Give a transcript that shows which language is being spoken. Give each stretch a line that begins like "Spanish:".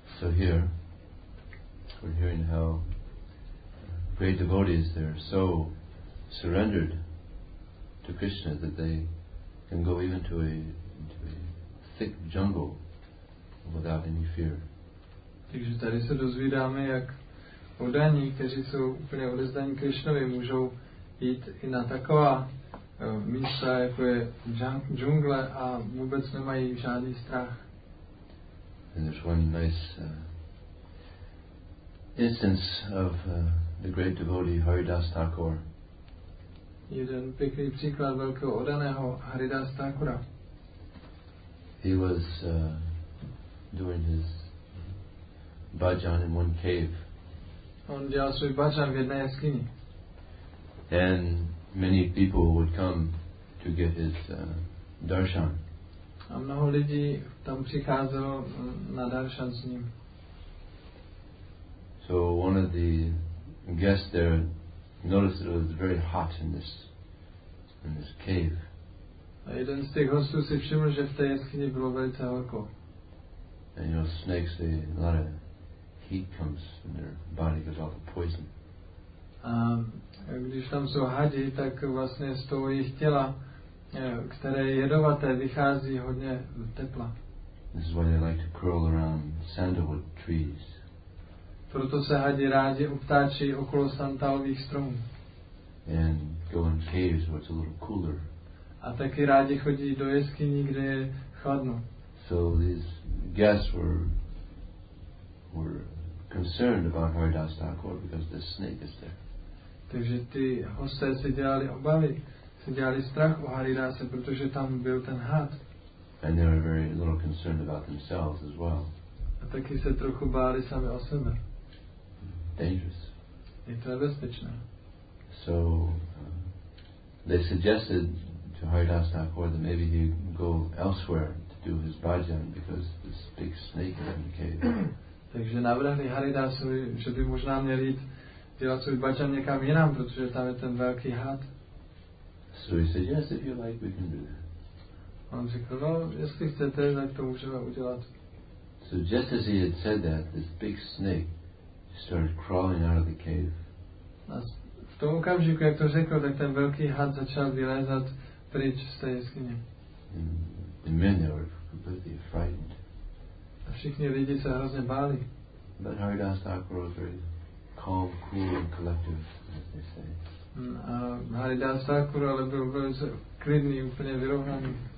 English: So here, we're hearing how great devotees, they're so surrendered to Krishna that they can go even to a thick jungle without any fear.
Czech: Takže tady se dozvídáme, jak oddaní, kteří jsou úplně odezdaní Krišnovi, můžou jít i na taková místa, jako je džungle, a vůbec nemají žádný strach.
English: And there's one nice instance of the great devotee Haridas Thakur.
Czech: Jeden pěkný příklad velkého odaného Haridas Thakura.
English: He was doing his bhajan in one cave.
Czech: On dělal svůj bhajan v jedné jeskyni.
English: And many people would come to get his darshan.
Czech: A mnoho lidí tam přicházelo na darshan s ním.
English: So one of the guests there noticed that it was very hot in this cave.
Czech: A jeden z těch hostů si všiml, že v té jeskyni bylo velice horko.
English: And you know, snakes, they, a lot of heat comes in their body because of all the poison.
Czech: A když tam jsou hadi, tak vlastně z toho jejich těla, které je jedovaté, vychází hodně tepla.
English: This is why they like to curl around sandalwood trees.
Czech: Proto se hadi rádi obtáčí okolo santalových stromů.
English: And go in caves where it's a little cooler.
Czech: A taky rádi chodí do jeskyní, kde je chladno.
English: So these guests were concerned about Haridas Thakur because the snake is there.
Czech: Takže ty hosté si dělali obavy. Se dělali strach o Haridase, protože tam byl ten had.
English: And they were very little concerned about themselves as well.
Czech: A taky se trochu báli sami o sebe.
English: Dangerous.
Czech: Je to nebezpečné.
English: So they suggested to Haridas Thakur that maybe he go elsewhere to do his bhajan because this big snake is in the cave.
Czech: Takže navrhli Haridasovi, že by možná měl jít dělat svůj bhajan někam jinam, protože tam je ten velký had.
English: So he said, yes, if you like, we can do that.
Czech: On řekl, no, jestli chcete, tak to můžeme udělat.
English: So just as he had said that, this big snake started crawling out of the cave.
Czech: A v tom okamžiku, jak to řekl, tak ten velký had začal vylézat pryč z té jeskyně.
English: The men, they were completely frightened.
Czech: A všichni lidi se hrozně báli.
English: But Haridas Thakur was very calm, cool and collective, as they say.
Czech: A Haridas Thakur ale byl velice klidný, úplně vyrovnaný.